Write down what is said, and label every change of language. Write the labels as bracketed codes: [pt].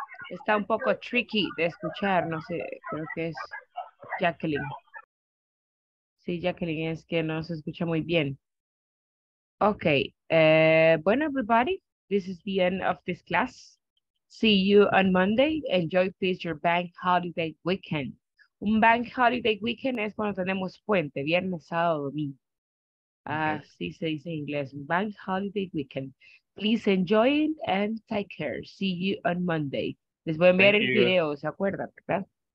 [es] Está un poco tricky de escuchar, no sé, creo que es Jacqueline. Sí, Jacqueline, es que no se escucha muy bien. [en] Okay, bueno, everybody, this is the end of this class. See you on Monday. Enjoy, please, your bank holiday weekend. [es] Un bank holiday weekend es cuando tenemos puente, viernes, sábado, domingo. Así se dice en inglés, [en] bank holiday weekend. Please enjoy it and take care. See you on Monday. [es] Les voy a enviar el video, ¿se acuerdan, verdad?